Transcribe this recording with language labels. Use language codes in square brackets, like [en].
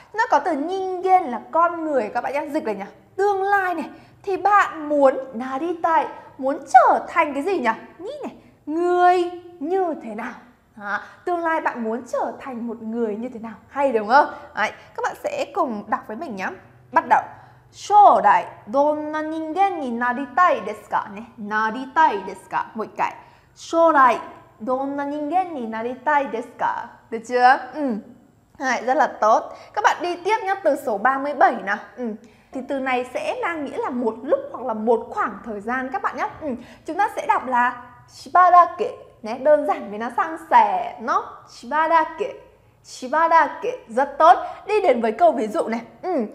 [vi] Nó có từ nhìn gen là con người các bạn nhá, dịch là nhỉ, tương lai này. Thì bạn muốn na di tai, muốn trở thành cái gì nhỉ? Ni này, người như thế nào? À, tương lai bạn muốn trở thành một người như thế nào? Hay đúng không? Đấy, các bạn sẽ cùng đọc với mình nhá. Bắt đầu. [ja] 将来どんな人間になりたいですかね。なりたいですか。もう一回。将来どんな人間になりたいですか。 [vi] Được chưa? Ừ. Đấy, rất là tốt. Các bạn đi tiếp nhé, từ số 37 nào. Ừ. Thì từ này sẽ mang nghĩa là một lúc hoặc là một khoảng thời gian các bạn nhé. Ừ. Chúng ta sẽ đọc là しばらく. Nè, đơn giản vì nó sang sẻ nó しばらく. しばらく.Rất tốt. Đi đến với câu ví dụ này. Ừ.